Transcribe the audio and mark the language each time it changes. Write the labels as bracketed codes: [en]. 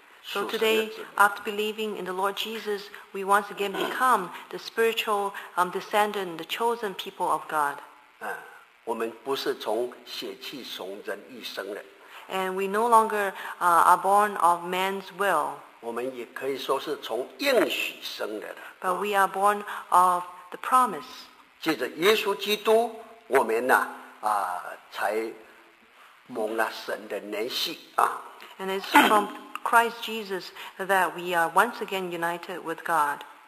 [en] So today, after believing in the Lord Jesus, we once again become the spiritual descendant, the chosen people of God. [zh] 我们不是从血气从人一生的。 [en] And we no longer are born of man's will. [zh] 我们也可以说是从应许生的。 [en] But we are born of the promise. [zh] 借着耶稣基督，我们呢，才蒙了神的怜惜。 [en] And it's from Christ Jesus that we are once again united with God.